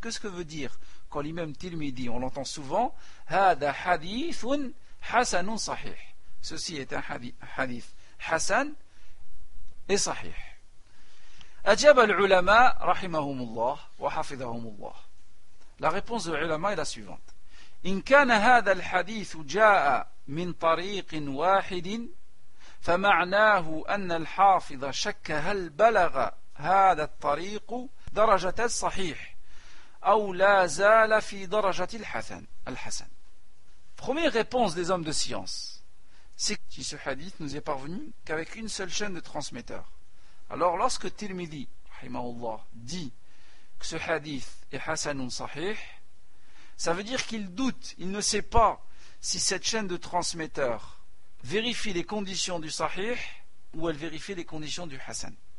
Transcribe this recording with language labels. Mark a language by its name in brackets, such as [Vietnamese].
[French] Qu'est-ce que veut dire quand l'imam Tirmidhi, on l'entend souvent, « [Arabic] Hada hadithun hasanun sahih ». [French] Ceci est un hadith hasan et sahih. [Arabic] Ajab al-ulama rahimahumullah wa hafidhahumullah. [French] La réponse de l'ulama est la suivante. [Arabic] إن كان هذا الحديث جاء من طريق واحد فمعناه أن الحافظ شك هل بلغ هذا الطريق درجة الصحيح أو لا زال في درجة الحسن. [French] Première réponse des hommes de science, c'est que ce hadith nous est parvenu qu'avec une seule chaîne de transmetteur. Alors lorsque Tirmidhi, rahimahullah, dit que ce hadith est hasanun sahih, ça veut dire qu'il doute, il ne sait pas si cette chaîne de transmetteurs vérifie les conditions du sahih ou elle vérifie les conditions du hasan.